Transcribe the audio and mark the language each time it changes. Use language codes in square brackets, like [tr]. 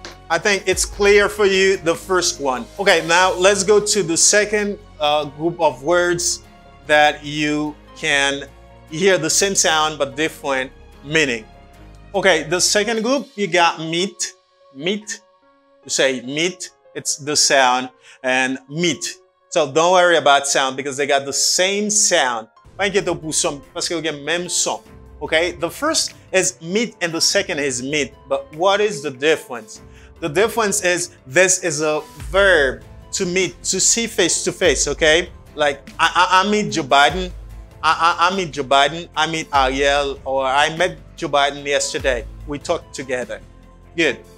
[en] I think it's clear for you, the first one. Okay, now let's go to the second group of words that you can hear the same sound but different meaning. Okay, the second group, you got meat. Meat, you say meat, it's the sound, and meat. So don't worry about sound because they got the same sound. [fr] Inquiétez pour son, parce qu'ils ont le même son. [en] Okay, the first is meat and the second is meat, but what is the difference? The difference is this is a verb to meet, to see face to face, okay? Like, I meet Joe Biden, I meet Ariel, or I met Joe Biden yesterday. We talked together. Good.